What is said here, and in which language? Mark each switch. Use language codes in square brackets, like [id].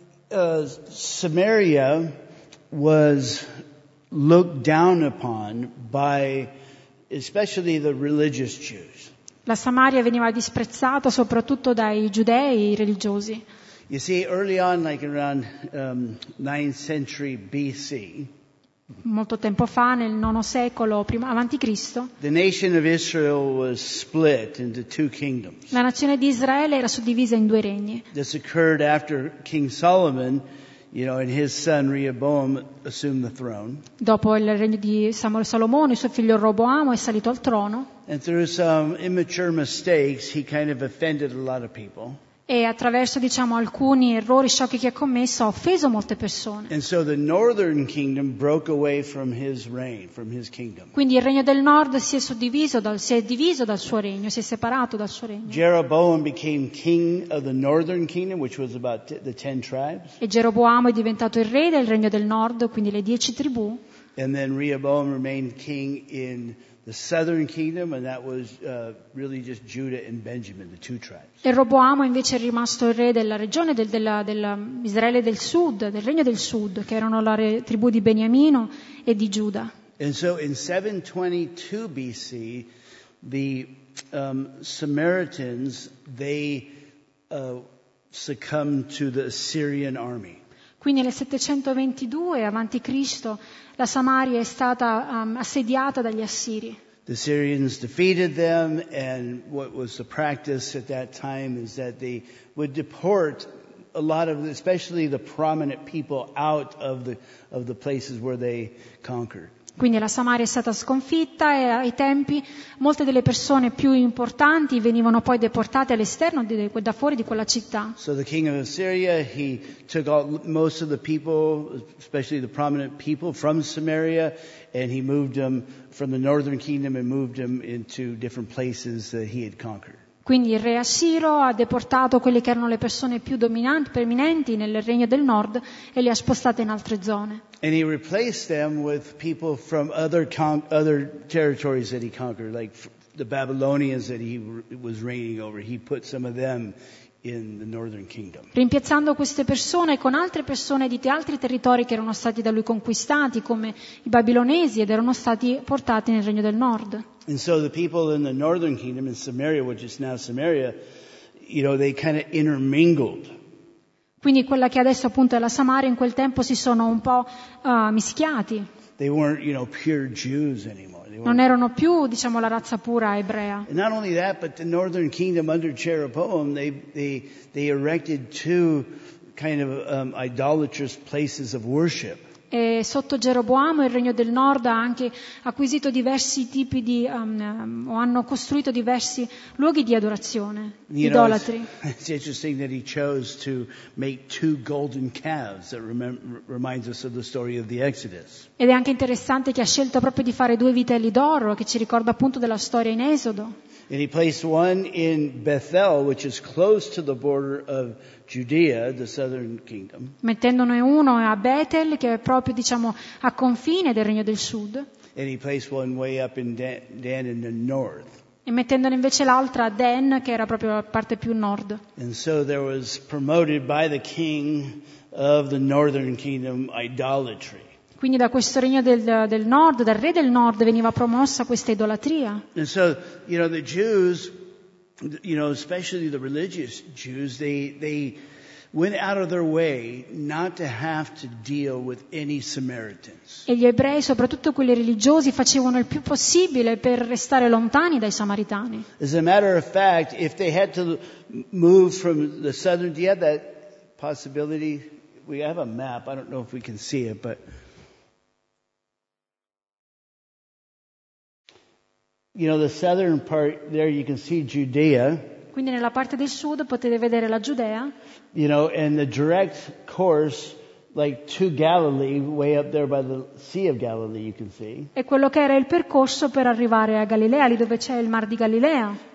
[en] Samaria was looked down upon by especially the religious Jews. [it] La Samaria veniva disprezzata soprattutto dai giudei religiosi. [en] You see, early on, like around 9th century BC, [it] molto tempo fa, nel nono secolo prima avanti Cristo, [en] the nation of Israel was split into two kingdoms. [it] La nazione di Israele era suddivisa in due regni. [en] This occurred after King Solomon, you know, and his son Rehoboam assumed the throne. [it] Dopo il regno di Salomone, suo figlio Roboamo è salito al trono. [en] And through some immature mistakes, he kind of offended a lot of people. [it] E attraverso, diciamo, alcuni errori sciocchi che ha commesso, ha offeso molte persone. [en] And so the northern kingdom broke away from his reign, from his kingdom. [it] Quindi il regno del nord si è diviso dal suo regno, si è separato dal suo regno. [en] Jeroboam became king of the northern kingdom, which was about the 10 tribes. [it] E Geroboamo è diventato il re del regno del nord, quindi le 10 tribù. [en] And then Rehoboam remained king in the southern kingdom, and that was really just Judah and Benjamin, the two tribes. [it] E Roboamo invece è rimasto il re della regione dell'Israele del sud, del regno del sud, che erano le tribù di Beniamino e di Giuda. [en] And so in 722 BC, the Samaritans, they succumbed to the Assyrian army. [it] Quindi nel 722 avanti Cristo la Samaria è stata assediata dagli Assiri. [en] The Syrians defeated them, and what was the practice at that time is that they would deport a lot of, especially the prominent people, out of the places where they conquered. [it] Quindi la Samaria è stata sconfitta e ai tempi molte delle persone più importanti venivano poi deportate all'esterno, da fuori di quella città. [en] So the king of Assyria, he took out most of the people, especially the prominent people from Samaria, and he moved them from the northern kingdom and moved them into different places that he had conquered. [it] Quindi il re Assiro ha deportato quelli che erano le persone più dominanti, preeminenti nel regno del nord e li ha spostate in altre zone. [en] And he replaced them with people from other territories that he conquered, like the Babylonians that he was reigning over. He put some of them in the northern kingdom. [it] Rimpiazzando queste persone con altre persone di altri territori che erano stati da lui conquistati, come i babilonesi, ed erano stati portati nel regno del nord. [en] And so the people in the northern kingdom in Samaria, which is now Samaria, you know, they kind of intermingled. [it] Quindi quella che adesso appunto è la Samaria, in quel tempo si sono un po' mischiati. [en] They weren't, you know, pure Jews anymore. [it] Non erano più, diciamo, la razza pura ebrea. [en] And not only that, but the northern kingdom under Jeroboam, they erected two kind of idolatrous places of worship. [it] E sotto Geroboamo il regno del nord ha anche acquisito diversi tipi di o hanno costruito diversi luoghi di adorazione, idolatri. [en] It's interesting that he chose to make two golden calves that reminds us of the story of the Exodus. [it] Ed è anche interessante che ha scelto proprio di fare due vitelli d'oro, che ci ricorda appunto della storia in Esodo. [en] And he placed one in Bethel, which is close to the border of Judea, the southern kingdom. [it] Mettendone uno a Bethel, che è proprio, diciamo, a confine del regno del sud. [en] And he placed one way up in Dan in the north. [it] E mettendone invece l'altra a Dan, che era proprio la parte più nord. [en] And so there was promoted by the king of the northern kingdom idolatry. [it] Quindi da questo regno del nord, dal re del nord, veniva promossa questa idolatria. [en] And so, you know, the Jews, you know, especially the religious Jews, they went out of their way not to have to deal with any Samaritans. [it] E gli ebrei, soprattutto quelli religiosi, facevano il più possibile per restare lontani dai samaritani. [en] As a matter of fact, if they had to move from the southern, do you have that possibility? We have a map, I don't know if we can see it, but... You know, the southern part there you can see Judea. [it] Quindi nella parte del sud potete vedere la Giudea. [en] You know, and the direct course like to Galilee, way up there by the Sea of Galilee, you can see. [it] E quello che era il percorso per arrivare a Galilea, lì dove c'è il Mar di Galilea.